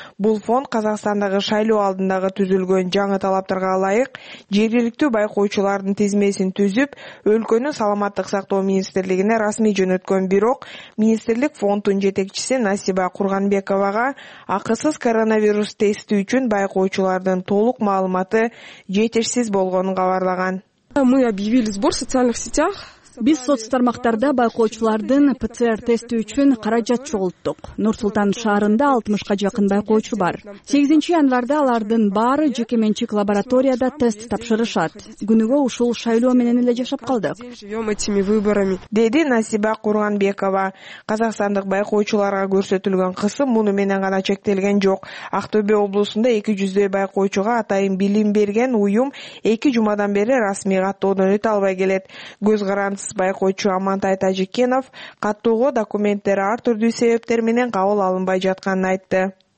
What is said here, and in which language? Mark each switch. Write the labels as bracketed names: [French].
[Kyrgyz] Бул фонд Казакстандагы шайлоо алдындагы түзүлгөн жаңы талаптарга ылайык жергиликтүү байкоочулардын тизмесин түзүп, өлкөнүн саламаттык сактоо министрлигине расмий жөнөткөн. Бирок министрлик фонддун жетекчиси Насиба Курганбековага акысыз коронавирус тести үчүн байкоочулардын толук маалыматы жетишсиз болгонун кабарлаган. [Russian] Мы объявили сбор в социальных сетях. [Kyrgyz] Биз соцтармактарда байкоочулардын ПЦР тести үчүн каражат чогулттук. Нур-Султан шаарында 60 жакын байкоочу бар. 8 январда алардын баары жеке менчик лабораторияда тест тапшырышат. Күнүгө ушул шайлоо менен эле жашап калдык. Деди Насиба Курганбекова. Казакстандык байкоочуларга көрсөтүлгөн кысым муну менен гана чектелген жок. Актобе облусунда 200 байкоочуга атайын билим берген уюм 2 жумадан бери расмий каттоодон өтө албай келет. Көз каранды байкоочу Амантай Тажикенов каттоого документтери ар түрдүү себептер менен кабыл алынбай жатканын айтты.